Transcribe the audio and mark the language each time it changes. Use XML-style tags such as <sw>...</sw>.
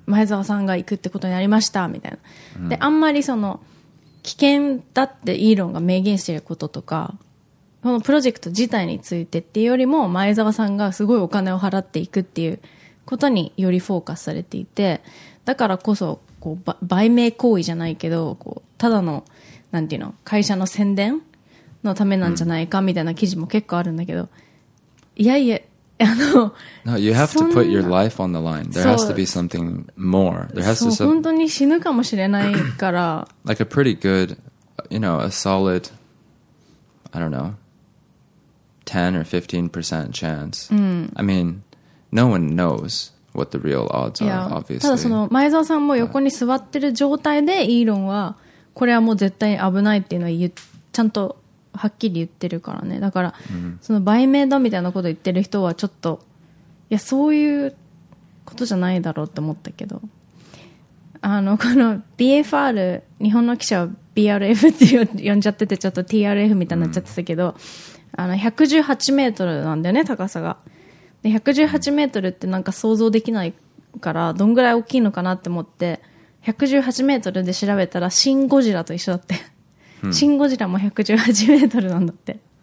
<ja>前澤さんが行くってことになりましたみたいな、mm. であんまりその危険だってイーロンが明言していることとかこのプロジェクト自体についてっていうよりも前澤さんがすごいお金を払っていくっていうことによりフォーカスされていてだからこそこう売名行為じゃないけどこうただのなんていうの会社の宣伝のためなんじゃないかみたいな記事も結構あるんだけど、うん、いやいやあの</ja> <en>No, you have to put your life on the line. There has to be something more. There has to</en> <ja>be 本当に死ぬかもしれないから</ja> <en>Like a pretty good, you know, a solid I don't know 10 or 15% chance、</en> <ja>うん、</ja> <en>I mean, no one knows what the real odds are, obviously.</en> <ja>ただその前澤さんも横に座ってる状態でイーロンはこれはもう絶対危ないっていうのをちゃんとはっきり言ってるからねだから、うん、その売名だみたいなこと言ってる人はちょっといやそういうことじゃないだろうって思ったけどあのこの BFR 日本の記者は BRF って呼んじゃっててちょっと TRF みたいになっちゃってたけど、うん、あの118メートルなんだよね高さがで118メートルってなんか想像できないからどんぐらい大きいのかなって思って118メートルで調べたらシンゴジラと一緒だってシンゴジラも118メートルなんだって。</ja>